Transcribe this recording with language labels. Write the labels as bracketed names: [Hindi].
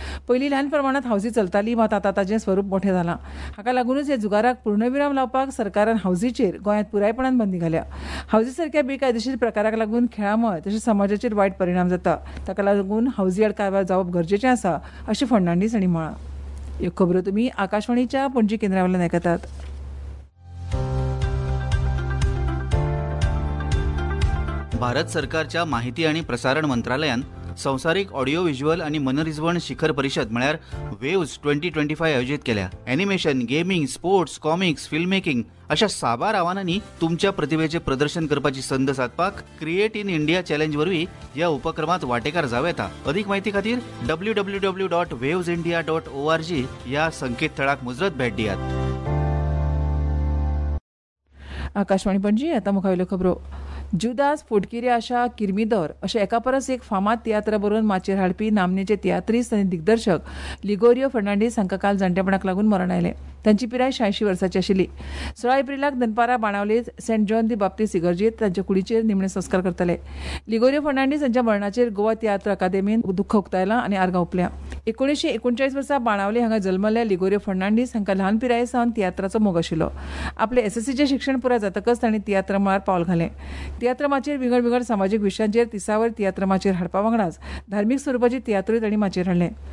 [Goan Konkani] पयलीं ल्हान प्रमाणांत हाऊजी चलताली, मात आतां ताचें स्वरूप मोठें जालां. हाका लागूनच ह्या जुगाराक पूर्णविराम लावपाक सरकारान हाऊजीचेर गोंयांत पुरायपणान बंदी घाल्या. हाऊजी सारक्या बेकायदेशीर प्रकाराक लागून खेळामळ तशेंच समाजाचेर वायट परिणाम जाता, ताका लागून हाऊजी कारवाय जावप गरजेचें आसा अशें फर्नांडीस हांणी म्हळां. [Marathi] खबरो तुम्ही आकाशवाणीच्या पणजी केंद्रावरून ऐकत आहात. [Goan Konkani] भारत सरकारच्या माहिती आणि प्रसारण मंत्रालयान संसारीक ऑडिओ व्हिज्युअल आणि मनरिजवण शिखर परिषद म्हणजे वेव्ज 2025 आयोजित केल्या. Animation, gaming, sports, comics, filmmaking अशा साबार आव्हानांनी तुमच्या प्रतिभेचे प्रदर्शन करण्याची संद साधपाक क्रिएट इन इंडिया चॅलेंज वरवी या उपक्रमात वाटेकार जाऊ येता. अधिक माहिती खातीर www.wavesindia.org या संकेतस्थळाक मुजरत भेट दियात. आकाशवाणी पणजी, आता मुखावल्यो खबरो. जुदास फुटकिरी आशा किरमिदर अशे एका परस एक फामाद तियात्र बरोवन माचेर हाडपी नामनेचे तियात्रिस्त आनी दिग्दर्शक लिगोरियो फर्नांडीस हांकां काल जाणटेपणाक लागून मरण आयले. तांची पिराय 86 वर्सांची आशिल्ली. 16 एप्रिलाक दनपारा बाणावलेत सेंट जॉन दी बाप्तीस इगर्जेत तांच्या कुडीचेर निमणे संस्कार करतले. लिगोरियो फर्नांडीस हांच्या मरणाचेर गोवा तियात्र अकादेमीन दुख्ख उक्तायलां आनी आर्गां ओंपल्या. 1939 वर्सा बाणावले हांगा जल्मल्ल्या लिगोरियो फर्नांडीस हांकां ल्हान पिराये सावन तियात्राचो मोग आशिल्लो. आपले SSC शिक्षण पुराय जातकच तांणी तियात्र मळार पावल घालें. तियात्रमाचेर विंगड विंगड समाजीक विशयांचेर तिसावर तियात्रमाचेर हाडपा वांगडाच धार्मीक स्वरुपाची तियात्रय तांणी माचेर हाडलें.